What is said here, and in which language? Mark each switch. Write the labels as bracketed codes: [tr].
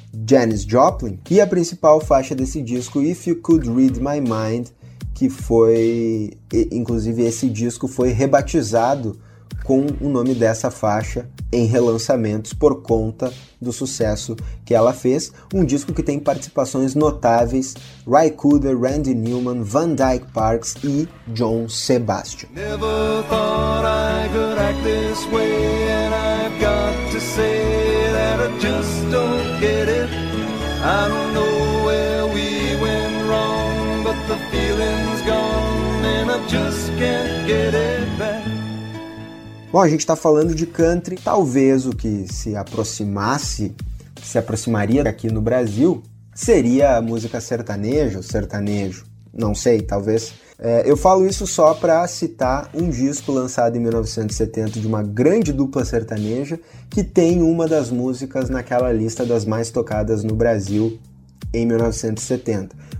[pt] Janis Joplin, e a principal faixa desse disco, If You Could Read My Mind, que foi, inclusive esse disco foi rebatizado com o nome dessa faixa em relançamentos por conta do sucesso que ela fez, um disco que tem participações notáveis, Ry Cooder, Randy Newman, Van Dyke Parks e John Sebastian. [en] Never thought I could act this way, and I've got to say that I just don't get it. I don't know where we went wrong, but the feeling's gone, and I just can't get it back. [pt] Bom, a gente tá falando de country, talvez o que se aproximasse, que se aproximaria aqui no Brasil, seria a música sertaneja, sertanejo, não sei, talvez. É, eu falo isso só para citar um disco lançado em 1970 de uma grande dupla sertaneja, que tem uma das músicas naquela lista das mais tocadas no Brasil em 1970.